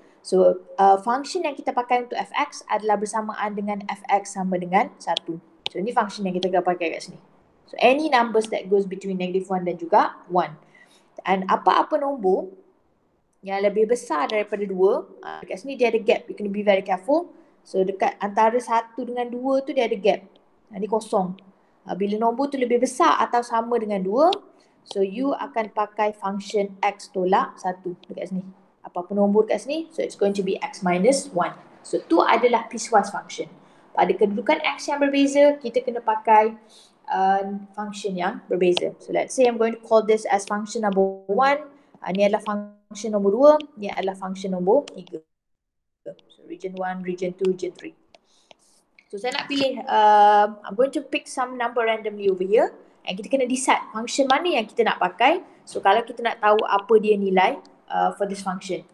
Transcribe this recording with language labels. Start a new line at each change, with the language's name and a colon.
Malay: So function yang kita pakai untuk fx adalah bersamaan dengan fx sama dengan 1. So ini function yang kita akan pakai kat sini. So any numbers that goes between negative 1 dan juga 1. And apa-apa nombor yang lebih besar daripada 2. Dekat sini dia ada gap, you kena be very careful. So dekat antara 1 dengan 2 tu dia ada gap. Ini kosong. Bila nombor tu lebih besar atau sama dengan 2, so you akan pakai function x tolak 1 dekat sini.
English: Apa-apa nombor dekat sini, so it's going to be x minus 1.
Malay: So tu adalah piecewise function. Pada kedudukan x yang berbeza, kita kena pakai function yang berbeza.
English: So let's say I'm going to call this as function number 1.
Malay: Ini adalah function number 2. Ini adalah function number 3. So region 1, region 2, region 3. So saya nak pilih,
English: I'm going to pick some number randomly over here.
Malay: And kita kena decide function mana yang kita nak pakai. So kalau kita nak tahu apa dia nilai for this function.